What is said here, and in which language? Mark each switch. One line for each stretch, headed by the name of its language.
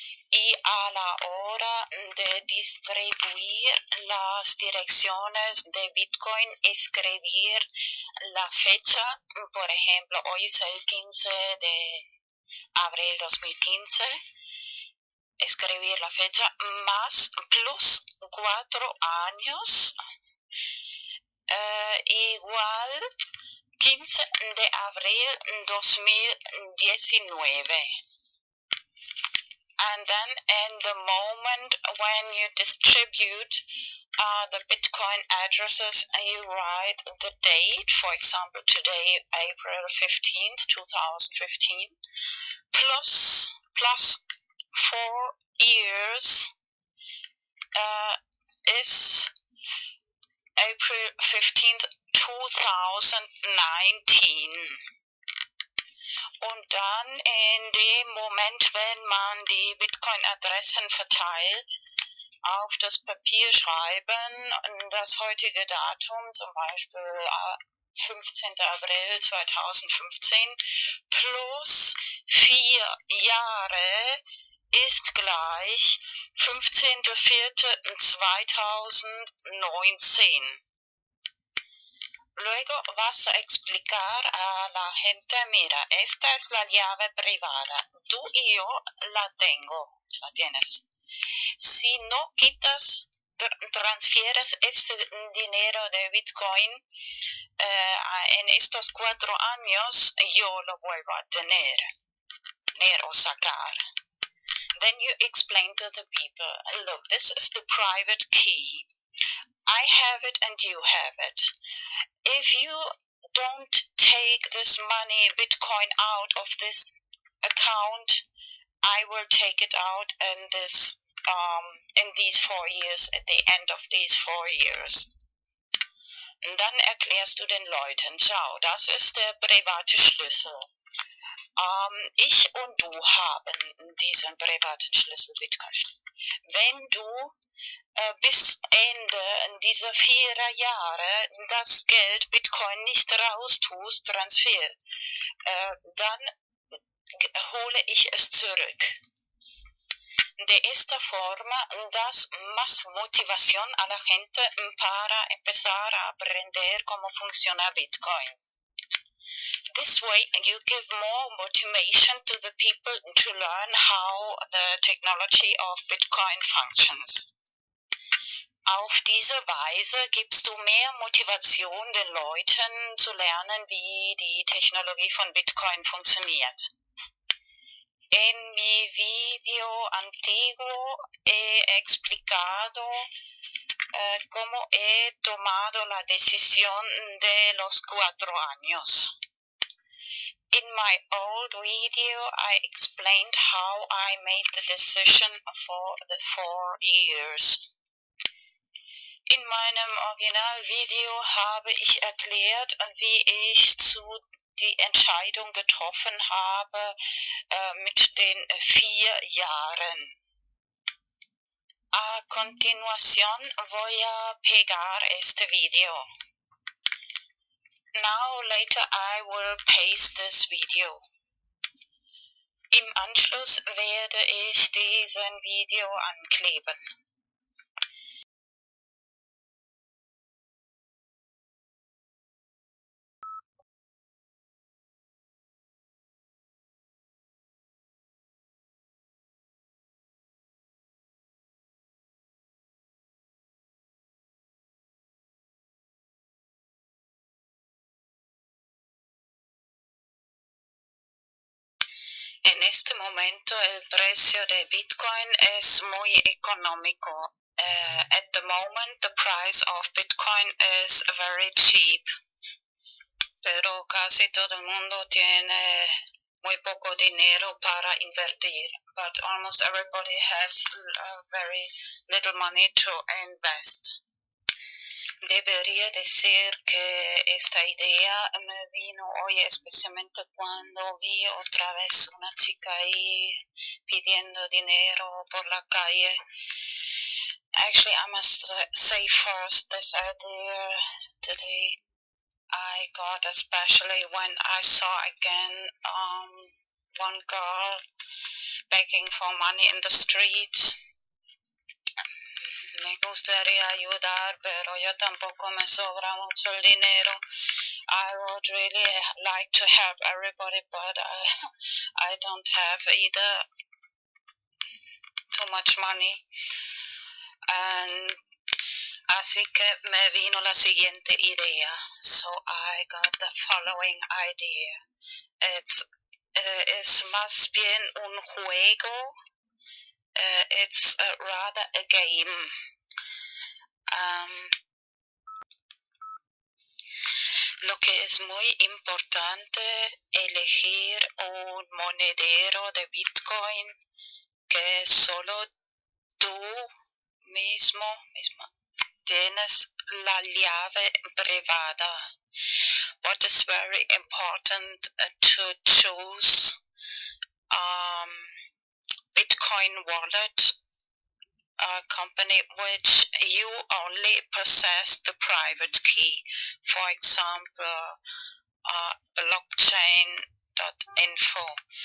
Spanish: Y a la hora de distribuir las direcciones de Bitcoin, escribir la fecha, por ejemplo, hoy es el 15 de abril 2015, escribir la fecha más plus 4 años, igual 15 de abril 2019.
English: And then in the moment when you distribute the Bitcoin addresses, you write the date, for example, today, April 15th, 2015, plus 4 years, is April 15th, 2019.
German: Und dann in dem Moment, wenn man die Bitcoin-Adressen verteilt, auf das Papier schreiben, das heutige Datum, zum Beispiel 15. April 2015, plus 4 Jahre ist gleich 15.04.2019.
Spanish: Luego vas a explicar a la gente, mira, esta es la llave privada. Tú y yo la tengo, la tienes. Si no quitas, transfieres ese dinero de Bitcoin en estos 4 años, yo lo vuelvo a tener o sacar.
English: Then you explain to the people, look, this is the private key. I have it and you have it. If you don't take this money, Bitcoin, out of this account, I will take it out in this in these 4 years, at the end of these 4 years.
German: Dann erklärst du den Leuten, schau, das ist der private Schlüssel. Ich und du haben diesen privaten Schlüssel, Bitcoin-Schlüssel. Wenn du bis Ende dieser 4 Jahre das Geld Bitcoin nicht raustust, Transfer, dann hole ich es zurück.
Spanish: De esta forma, das más motivación a la gente para empezar a aprender cómo funciona Bitcoin.
English: This way, you give more motivation to the people to learn how the technology of Bitcoin functions.
German: Auf diese Weise gibst du mehr Motivation den Leuten zu lernen, wie die Technologie von Bitcoin funktioniert.
Spanish: En mi video antiguo he explicado cómo he tomado la decisión de los 4 años.
English: In my old video, I explained how I made the decision for the 4 years.
German: In meinem Originalvideo habe ich erklärt, wie ich zu die Entscheidung getroffen habe mit den 4 Jahren.
Spanish: A continuación voy a pegar este video.
English: Now later I will paste this video.
German: Im Anschluss werde ich diesen Video ankleben.
Spanish: En este momento el precio de Bitcoin es muy económico.
English: At the moment the price of Bitcoin is very cheap.
Spanish: Pero casi todo el mundo tiene muy poco dinero para invertir.
English: But almost everybody has very little money to invest.
Spanish: Debería decir que esta idea me vino hoy especialmente cuando vi otra vez una chica ahí pidiendo dinero por la calle.
English: Actually, I must say first this idea today I got, especially when I saw again one girl begging for money in the streets.
Spanish: Me gustaría ayudar, pero yo tampoco me sobra mucho el dinero.
English: I would really like to help everybody, but I don't have either too much money. And
Spanish: así que me vino la siguiente idea.
English: So I got the following idea.
Spanish: Es más bien un juego.
English: It's rather a game.
Spanish: Lo que es muy importante elegir un monedero de Bitcoin que solo tú mismo tienes la llave privada.
English: What is very important to choose Bitcoin wallet, a company which you only possess the private key, for example, blockchain.info.